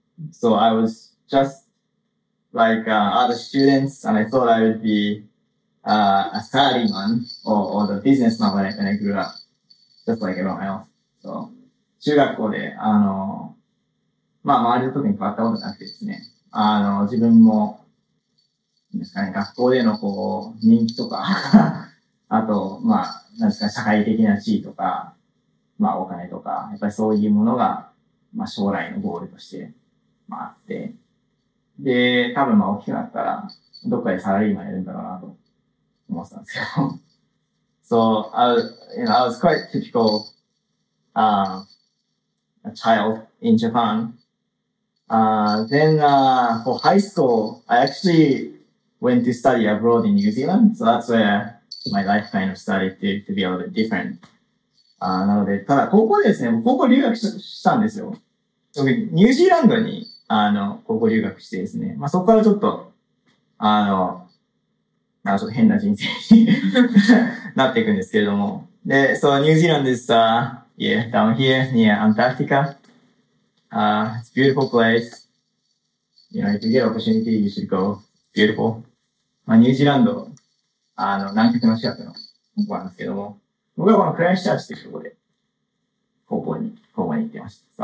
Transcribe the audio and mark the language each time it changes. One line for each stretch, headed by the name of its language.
English: So I was just like, other students, and I thought I would be, a salaryman or the businessman when I grew up, just like everyone else.
Japanese: そう。中学校で、まあ、周りの時に変わったことなくてですね。自分も、ですかね、学校でのこう、人気とか、あと、まあ、なんですか、社会的な地位とか、まあ、お金とか、やっぱりそういうものが、まあ、将来のゴールとして、まあ、あって。で、多分、まあ、大きくなったら、どっかでサラリーマンやるんだろうな、と思ってたんですよ。
English: So, I was quite typical. A child in Japan. For high school, I actually went to study abroad in New Zealand. So that's where my life kind of started to be a little bit different.
Japanese: なので、ただ高校でですね、高校留学したんですよ。そのニュージーランドに、高校留学してですね、まあ、そこからちょっと、なんかちょっと変な人生になっていくんですけれども。で、そう、ニュージーランドでさ、
English: Yeah, down here near Antarctica. It's a beautiful place. You know, if you get an opportunity, you should go. Beautiful.
Japanese: まあ、ニュージーランド、南極の近くのところなんですけども、僕はこのクライスチャーチというところで、高校に行ってました。